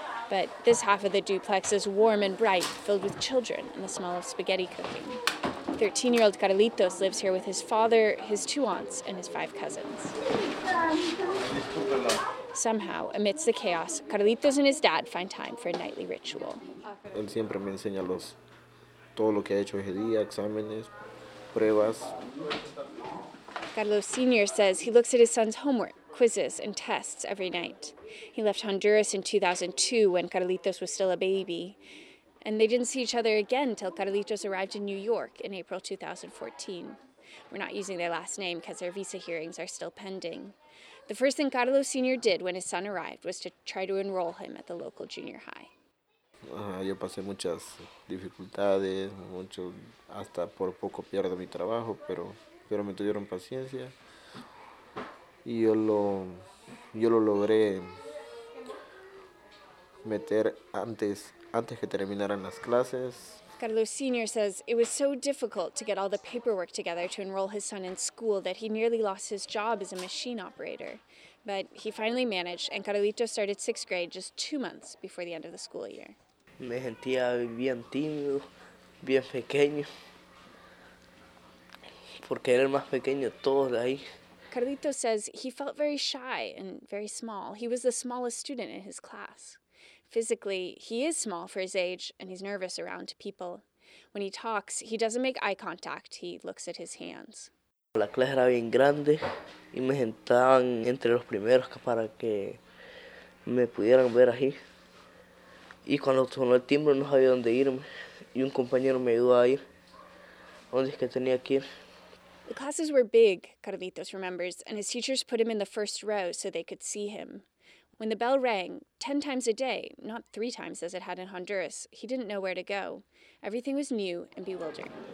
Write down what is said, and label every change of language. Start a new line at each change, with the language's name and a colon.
English: But this half of the duplex is warm and bright, filled with children and the smell of spaghetti cooking. 13-year-old Carlitos lives here with his father, his two aunts, and his five cousins. Somehow, amidst the chaos, Carlitos and his dad find time for a nightly ritual.
Spanish: Él siempre me enseña los todo lo que ha hecho ese día, exámenes, pruebas.
English: Carlos Sr. says he looks at his son's homework, quizzes, and tests every night. He left Honduras in 2002 when Carlitos was still a baby. And they didn't see each other again till Carlitos arrived in New York in April 2014. We're not using their last name because their visa hearings are still pending. The first thing Carlos Sr. did when his son arrived was to try to enroll him at the local junior high.
Spanish: Yo pasé muchas dificultades, mucho, hasta por poco pierdo mi trabajo, pero me tuvieron paciencia. Y yo lo logré meter antes que terminaran las clases.
English: Carlos Sr. says it was so difficult to get all the paperwork together to enroll his son in school that he nearly lost his job as a machine operator. But he finally managed, and Carlito started sixth grade just 2 months before the end of the school year.
Spanish: Me sentía bien tímido, bien pequeño, porque era el más pequeño de todos ahí.
English: Carlito says he felt very shy and very small. He was the smallest student in his class. Physically, he is small for his age, and he's nervous around people. When he talks, he doesn't make eye contact. He looks at his hands.
Spanish: La clase era bien grande, y me sentaban entre los primeros para que me pudieran ver ahí. Y cuando sonó el timbre, no sabía dónde irme. Y un compañero me ayudó a ir. ¿Dónde es que tenía que ir?
English: The classes were big, Carlitos remembers, and his teachers put him in the first row so they could see him. When the bell rang, 10 times a day, not 3 times as it had in Honduras, he didn't know where to go. Everything was new and bewildering.